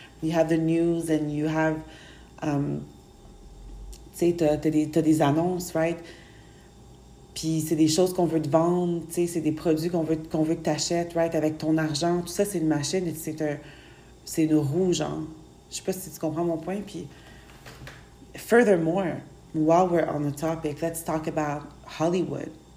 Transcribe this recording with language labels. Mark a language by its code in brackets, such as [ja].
[en] you have the news and you have, [fr] t'as des annonces, [en] right? [fr] Puis c'est des choses qu'on veut te vendre, tu sais, c'est des produits qu'on veut que t'achètes, right? Avec ton argent, tout ça, c'est une machine, c'est une roue, genre. Je sais pas si tu comprends mon point. [en] Puis, furthermore, while we're on the topic, let's talk about Hollywood.